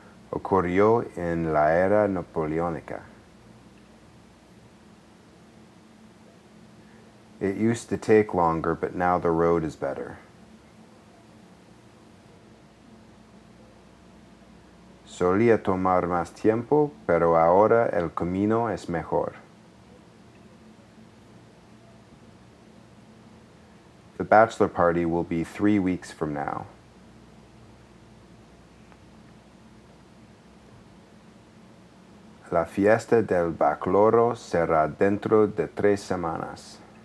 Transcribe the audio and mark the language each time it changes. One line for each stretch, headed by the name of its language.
Spanish: Ocurrió en la era napoleónica.
English: It used to take longer, but now the road is better.
Spanish: Solía tomar más tiempo, pero ahora el camino es mejor.
English: The bachelor party will be 3 weeks from now.
Spanish: La fiesta del bacloro será dentro de 3 semanas.